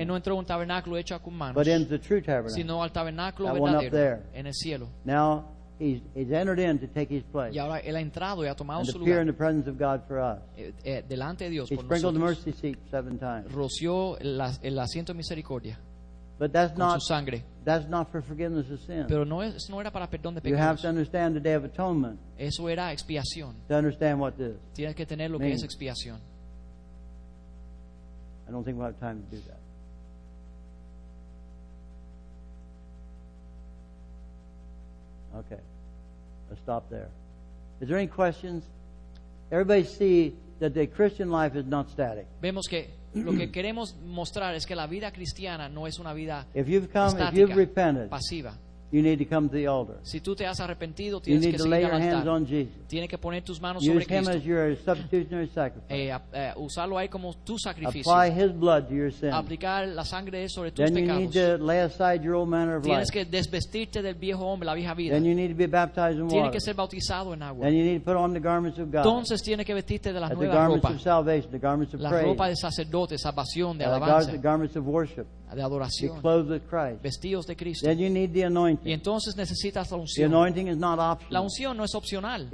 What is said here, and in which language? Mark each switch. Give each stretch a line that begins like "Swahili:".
Spanish: Él no entró un tabernáculo hecho con manos,
English: but into the true tabernacle.
Spanish: Sino al tabernáculo
English: that
Spanish: verdadero,
English: one up there.
Spanish: En el cielo.
English: Now he's entered in to take his place.
Spanish: Y ahora él ha entrado y ha tomado
English: and
Spanish: su lugar.
English: Appear in the presence of God for us.
Spanish: Delante de Dios
English: he
Spanish: por
English: sprinkled
Spanish: nosotros.
English: The mercy seat seven times.
Spanish: Roció el asiento de misericordia.
English: But that's
Spanish: con
English: not
Spanish: su sangre.
English: That's not for forgiveness of sin.
Spanish: Pero no era para perdón de pecados.
English: You have to understand the day of atonement.
Spanish: Eso era expiación.
English: To understand what this.
Spanish: Tienes que tener lo
English: means.
Spanish: Que es expiación.
English: I don't think we'll have time to do that. Okay. Let's stop there. Is there any questions? Everybody see that the Christian life is not static.
Spanish: Vemos que lo que queremos mostrar es que la vida cristiana no es una vida
English: if you've come,
Spanish: estática,
English: if you've repented,
Spanish: pasiva.
English: You need to come to the altar.
Spanish: Si tú te has arrepentido,
English: you need
Spanish: que
English: to lay your hands on Jesus.
Spanish: Tienes que poner tus manos
English: use
Spanish: sobre
English: him
Spanish: Cristo.
English: As your substitutionary sacrifice.
Spanish: Usarlo ahí como tu sacrificio.
English: Apply his blood to your sins.
Spanish: Aplicar la sangre de sobre
English: then
Spanish: tus
English: you
Spanish: pecados.
English: Need to lay aside your old manner of
Spanish: tienes Que desvestirte del viejo hombre, la vieja vida.
English: Then you need to be baptized in
Spanish: tienes
English: water.
Spanish: Que ser bautizado en agua.
English: Then you need to put on the garments of God.
Spanish: Entonces tienes que vestirte de las nuevas
English: the garments
Spanish: ropa.
English: Of salvation, the garments of
Spanish: la
English: praise.
Spanish: La ropa de sacerdote, salvación, de alabanza.
English: The garments of worship.
Spanish: De adoración,
English: the clothes of Christ.
Spanish: Vestidos de Cristo.
English: Then you need the anointing.
Spanish: Y entonces necesitas la unción.
English: The anointing is not optional.
Spanish: La unción no es opcional.